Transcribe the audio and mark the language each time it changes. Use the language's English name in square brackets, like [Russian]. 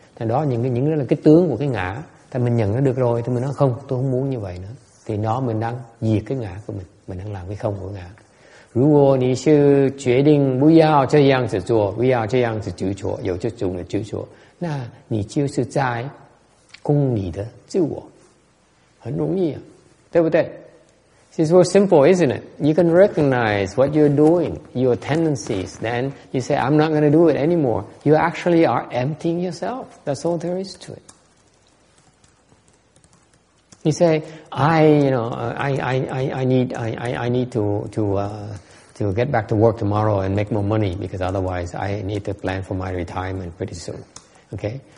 [Vietnamese] Thì đó những đó là cái tướng của cái ngã. Thì mình nhận nó được rồi thì mình nói không, tôi không muốn như vậy nữa. Thì đó mình đang diệt cái ngã của mình, mình đang làm cái không của ngã. [Chinese] 如果你是决定不要这样子做，不要这样子执着，有这种的执着，那你就是在攻你的自我，很容易啊，对不对？ [English] It's so simple, isn't it? You can recognize what you're doing, your tendencies. Then you say, I'm not going to do it anymore. You actually are emptying yourself. That's all there is to it. You say, I need to get back to work tomorrow and make more money because otherwise I need to plan for my retirement pretty soon. Okay?